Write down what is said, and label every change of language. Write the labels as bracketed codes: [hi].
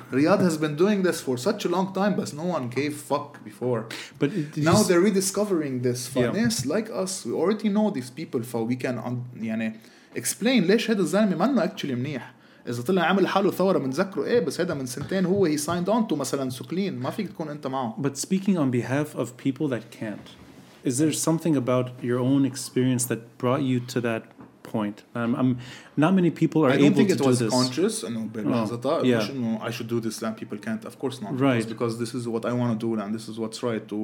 [en] Riyadh has been doing this for such a long time, but no one gave fuck before. But now they're rediscovering this. Ness like us, we already know these people. So we can [ar] يعني [en] explain [ar] ليش هذا الزلمة ما إنه [en] actually [ar] منيح. إذا طلع عمل حاله ثورة منذكره إيه بس هذا من سنتين هو [en] he signed on to [ar] مثلا سوكلين ما فيك تكون أنت معه. [en] But speaking on behalf of people that can't, is there something about your own experience that brought you to that point? Not many people are able to do this. I don't think it was conscious. I should do this and people can't. Of course not. Right. Because this is what I want to do and this is what's right.